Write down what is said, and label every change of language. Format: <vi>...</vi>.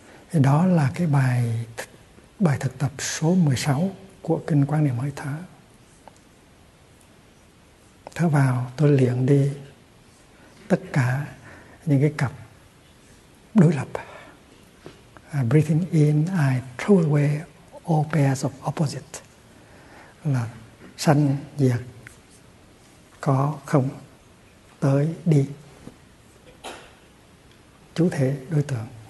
<vi>Thì đó là cái bài thực tập số 16 của Kinh Quan Niệm Hơi Thở. Thở vào, tôi liền đi tất cả những cái cặp đối lập.</vi> <en>Breathing in, I throw away all pairs of opposite.</en> <vi>Là sanh, diệt, có, không, tới, đi. Chủ thể, đối tượng.</vi>